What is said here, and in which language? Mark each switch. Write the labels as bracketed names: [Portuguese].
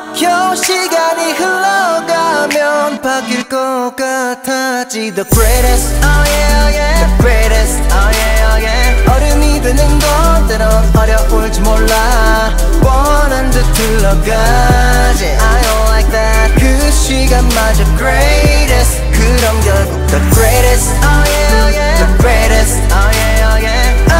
[Korean] 겨우 시간이 흘러가면 바뀔 것 같았지. [English] The greatest, oh yeah, oh yeah. The greatest, oh yeah, oh yeah. [Korean] 어른이 되는 것대로 어려울지 몰라 뻔한 듯 흘러가지. [English] I don't like that. [Korean] 그 시간마저 [English] greatest. [Korean] 그럼 결국 [English] the greatest, oh yeah, oh yeah. The greatest, oh yeah, oh yeah.